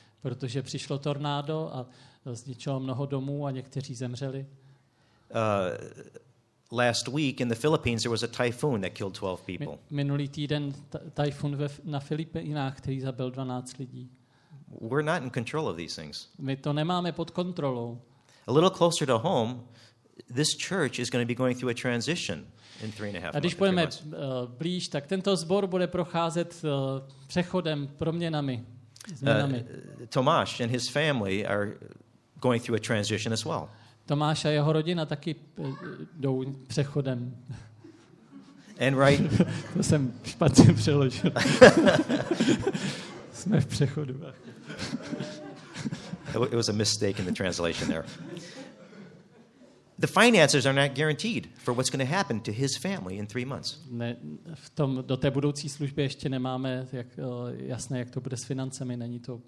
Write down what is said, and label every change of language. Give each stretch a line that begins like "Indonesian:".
Czech: Protože přišlo tornádo a zničilo mnoho domů a někteří zemřeli.
English: Last week in the Philippines there was a typhoon that killed 12 people.
Czech: Minulý týden tajfun na Filipínách, který zabil 12 lidí.
English: We're not in control of these things.
Czech: My to nemáme pod kontrolou.
English: A little closer to home, this church is going to be going through a transition in 3.5 months.
Czech: A když půjdeme blíž, tak tento sbor bude procházet přechodem, proměnami.
English: Tomáš and his family are going through a transition as well.
Czech: Tomáš a jeho rodina taky jdou přechodem.
English: And right.
Czech: To jsem špatně přeložil. Jsme v přechodu.
English: It was a mistake in the translation there. The finances are not guaranteed for what's going to happen to his family in 3 months.
Czech: Ne, v tom do té budoucí služby ještě nemáme jasné, jak to bude s financemi.